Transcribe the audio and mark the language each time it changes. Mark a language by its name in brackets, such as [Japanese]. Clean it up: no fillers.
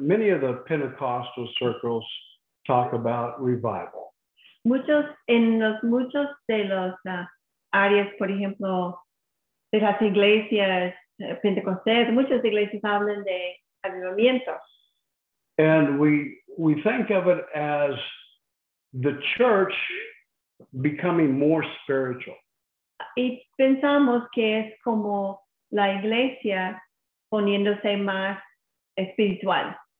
[English] Many of the Pentecostal circles talk about revival. [Spanish] Muchos, en los muchos de los áreas, por ejemplo, de las iglesias pentecostales, muchas iglesias hablan de avivamiento. [English] And we think of it as the church becoming more spiritual. [Spanish] Y pensamos que es como la iglesia poniéndose más espiritual.